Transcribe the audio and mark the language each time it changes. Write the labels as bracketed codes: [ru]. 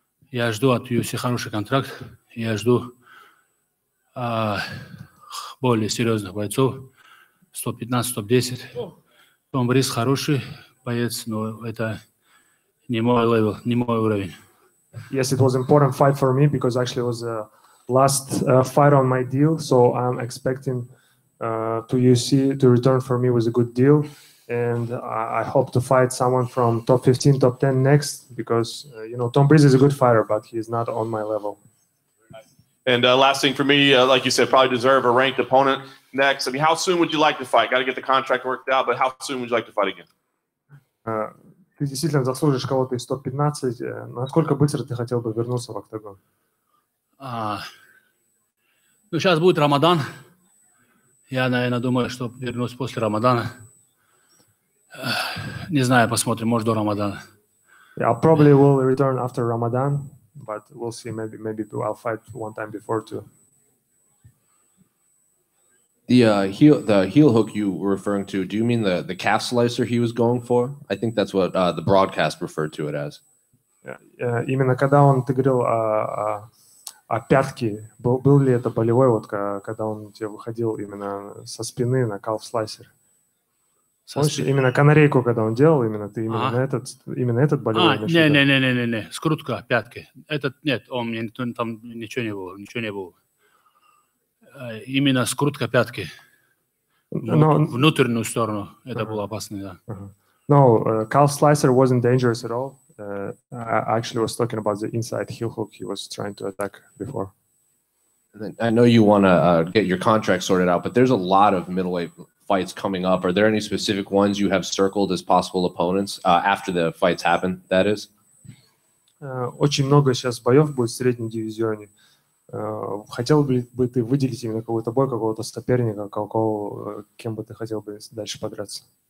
[ru] Я жду от UFC хороший контракт, я жду более серьезных бойцов, 115-110. Том Брис хороший боец, но это не мой левел, не мой уровень. [en] Yes, it was important fight for me because actually it was the last fight on my deal, so I'm expecting to UFC to return for me was a good deal, and I hope to fight someone from top 15, top 10 next because you know Tom Breeze is a good fighter, but he's not on my level. And last thing for me, like you said, probably deserve a ranked opponent next. I mean, how soon would you like to fight? Got to get the contract worked out, but how soon would you like to fight again? [ru] Ты действительно заслужишь кого-то из топ 15. Насколько быстро ты хотел бы вернуться в октагон? Ну, сейчас будет Рамадан. Я, наверное, думаю, что вернусь после Рамадана. Не знаю, посмотрим, может, до Рамадана. [en] Yeah, I probably will return after Ramadan, but we'll see. Maybe I'll fight one time before too. The heel hook you were referring to, do you mean the calf slicer he was going for? I think that's what the broadcast referred to it as. [ru] Yeah, именно когда он, ты говорил о пятке, был ли это болевой, вот когда он тебе выходил именно со спины на calf slicer? Помнишь, именно канарейку, когда он делал, именно ты именно этот болевой? Не-не-не-не-не, скрутка пятки. Этот, нет, он там ничего не было, ничего не было. Именно скрутка пятки внутреннюю сторону, это было опасно, да. [en] No, calf slicer wasn't dangerous at all. I actually was talking about the inside heel hook he was trying to attack before. I know you want to get your contract sorted out, but there's a lot of middleweight fights coming up. Are there any specific ones you have circled as possible opponents after the fights happen, that is? [ru] Очень много сейчас боев будет в среднем дивизионе. Хотел бы ты выделить именно какой-то бой, какого-то соперника, какого, кем бы ты хотел бы дальше подраться?